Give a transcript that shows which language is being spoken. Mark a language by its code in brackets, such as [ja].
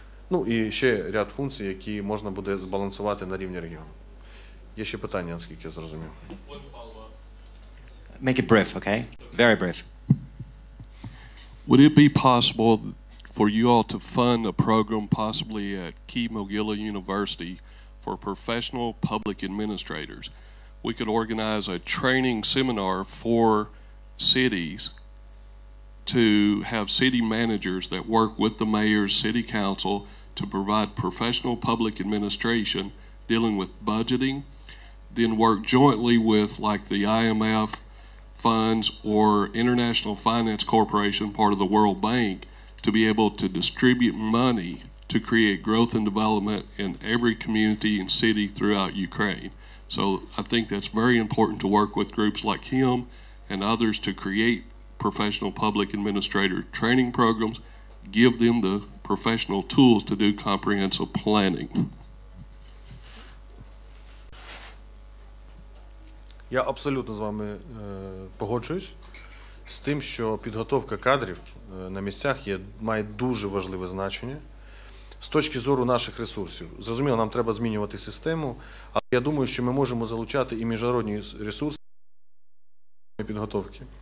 [uk] Ну і ще ряд функцій, які можна буде збалансувати на рівні регіону. Є ще питання, наскільки я зрозумів. [en] Make it brief, okay? Very brief. Would it be possible for you all to fund a program possibly at Key Mogila University for professional public administrators? We could organize a training seminar for cities to have city managers that work with the mayor, city council to provide professional public administration dealing with budgeting. Then work jointly with like the IMF funds or International Finance Corporation, part of the World Bank, to be able to distribute money to create growth and development in every community and city throughout Ukraine. So I think that's very important to work with groups like him and others to create professional public administrator training programs, give them the professional tools to do comprehensive planning. [uk] Я абсолютно з вами погоджуюсь з тим, що підготовка кадрів на місцях є, має дуже важливе значення з точки зору наших ресурсів. Зрозуміло, нам треба змінювати систему, але я думаю, що ми можемо залучати і міжнародні ресурси підготовки.